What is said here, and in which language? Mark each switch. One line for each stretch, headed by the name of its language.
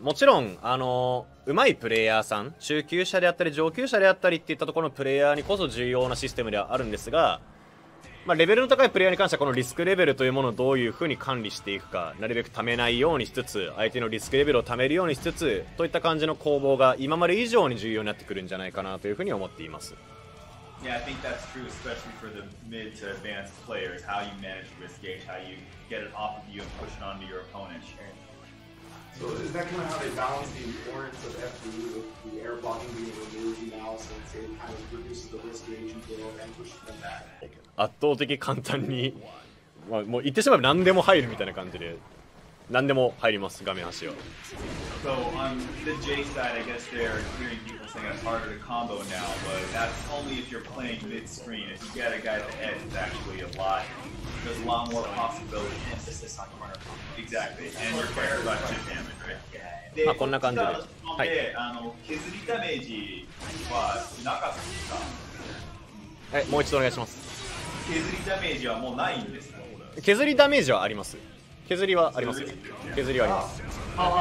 Japanese: もちろん上手いプレイヤーさん、中級者であったり上級者であったりっていったところのプレイヤーにこそ重要なシステムではあるんですが、まあ、レベルの高いプレイヤーに関してはこのリスクレベルというものをどういうふうに管理していくか、なるべく溜めないようにしつつ相手のリスクレベルを溜めるようにしつつといった感じの攻防が今まで以上に重要になってくるんじゃないかなというふうに思っています。
English: Yeah, I think that's true, especially for the mid to advanced players, how you manage risk gauge, how you get it off of you and push it onto your opponent. So is that kind of how they balance the importance of FBU, the air blocking being removed now, since it kind of reduces the risk gauge and pushes them back?
Japanese: 圧倒的簡単に、まあ、もう言ってしまえば何でも入るみたいな感じで何でも入ります、画面端を。
English: So on the J side, I guess they're hearing people saying it's harder to combo now, but that's only if you're playing mid-screen. If you get a guy at the edge, it's actually a lot. There's a lot more possibility. Emphasis on corner combo. Exactly. And you're carrying a bunch of damage, right?
Japanese: Yeah. まあこんな感じで。はい。削りダメージはなかったですか？え、もう一度お願いします。削りダメージはもうないんですか？削りダメージはあります。削りはあります。削りはあります。